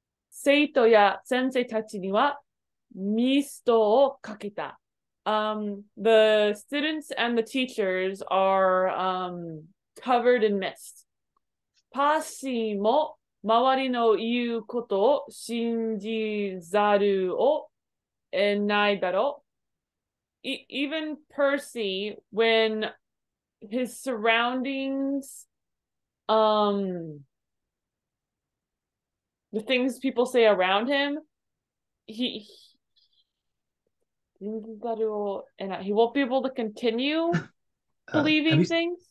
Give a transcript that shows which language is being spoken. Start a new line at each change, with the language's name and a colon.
Japanese: 生徒や先生たちにはミストをかけた。
English: The students and the teachers are covered in mist.
Japanese: パーシーも周りの言うことを信じざるを得ないだろう。
English: Even Percy, when his surroundings, the things people say around him, he won't be able to continue believing things.